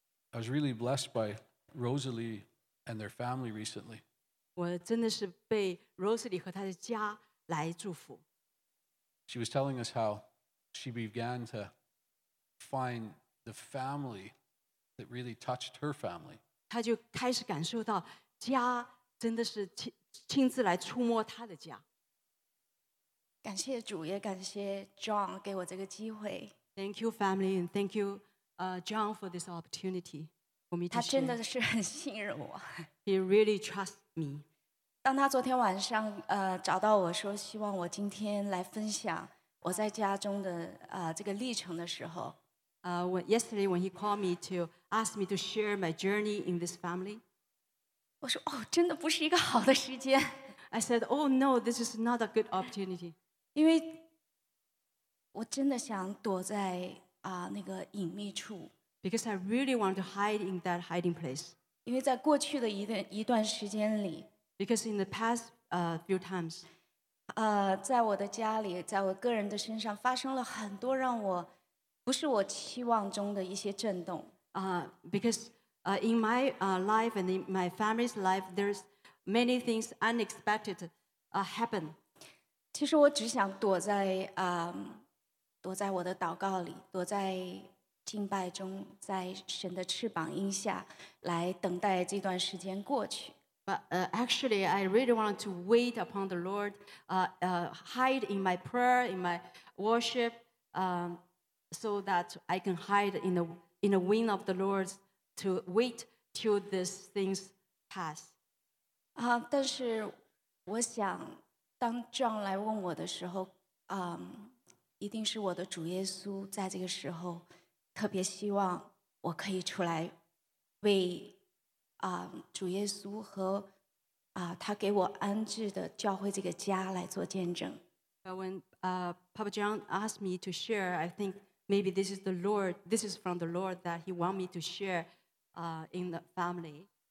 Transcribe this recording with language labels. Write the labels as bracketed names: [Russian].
[English] I was really blessed by Rosalie and their family recently. [Chinese] 我真的是被 Rosalie 和她的家来祝福。 [English] She was telling us how she began to find the family that really touched her family. [Chinese] 她就开始感受到家真的是亲自来触摸她的家。感谢主，也感谢 John 给我这个机会。 [English] Thank you, family, and thank you, John, for this opportunity. [Chinese] 我们一起。他真的是很信任我。 [English] He really trusts me. [Chinese] 当他昨天晚上找到我说希望我今天来分享我在家中的这个历程的时候 [English] yesterday when he called me to ask me to share my journey in this family [Chinese] 我说哦真的不是一个好的时间 [English] I said oh no this is not a good opportunity [Chinese] 因为我真的想躲在那个隐秘处 [English] because I really want to hide in that hiding place [Chinese] 因为在过去的一段时间里 [English] Because in the past few times, [Chinese] 在我的家里，在我个人的身上发生了很多让我不是我期望中的一些震动。 [English] Because in my life and in my family's life, there's many things unexpected happen. [Chinese] 其实我只想躲在躲在我的祷告里，躲在敬拜中，在神的翅膀荫下来等待这段时间过去。 [English] But actually, I really want to wait upon the Lord, hide in my prayer, in my worship, so that I can hide in the wing of the Lord to wait till these things pass. [Chinese] 但是我想，当 John 来问我的时候，一定是我的主耶稣在这个时候特别希望我可以出来为主耶稣和他给我安置的教会这个家来做见证。 [English] When Papa John asked me to share, I think maybe this is the Lord, this is from the Lord that he want me to share in the family.